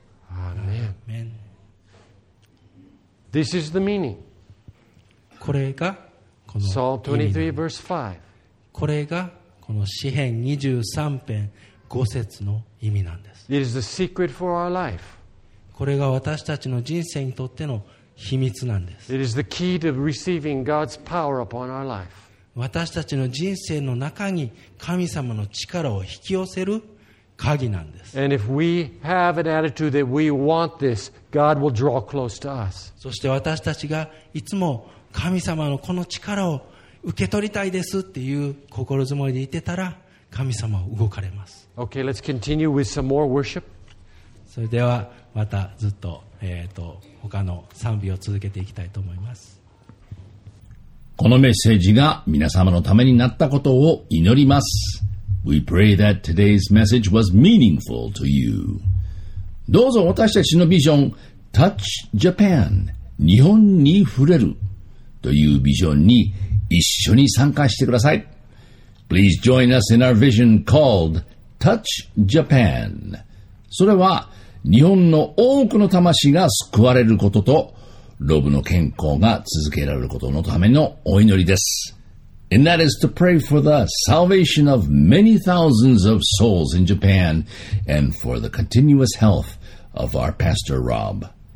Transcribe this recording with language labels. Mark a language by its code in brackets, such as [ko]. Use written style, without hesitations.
[en] Amen. This is the meaning. [ja] これがこの [en] Psalm 23 verse 5. [ja] これがこの詩編23編5節の意味なんです。 [en] It is the secret for our life. [ja] これが私たちの人生にとっての秘密なんです。 [en] It is the key to receiving God's power upon our life. [ja] 私たちの人生の中に神様の力を引き寄せる鍵なんです。 [en] And if we have an attitude that we want this, God will draw close to us. [ja] そして私たちがいつも神様のこの力を受け取りたいですっていう心づもりでいてたら神様は動かれます。 [en] Okay, let's continue with some more worship. [ja] それではまたずっと他の賛美を続けていきたいと思います。このメッセージが皆様のためになったことを祈ります。 [en] We pray that today's message was meaningful to you. [ja] どうぞ私たちのビジョン Touch Japan 日本に触れるというビジョンに一緒に参加してください。 [en] Please join us in our vision called Touch Japan. [ja] それは日本の多くの魂が救われることと、ロブの健康が続けられることのためのお祈りです。 [en] And that is to pray for the salvation of many thousands of souls in Japan and for the continuous health of our Pastor Rob.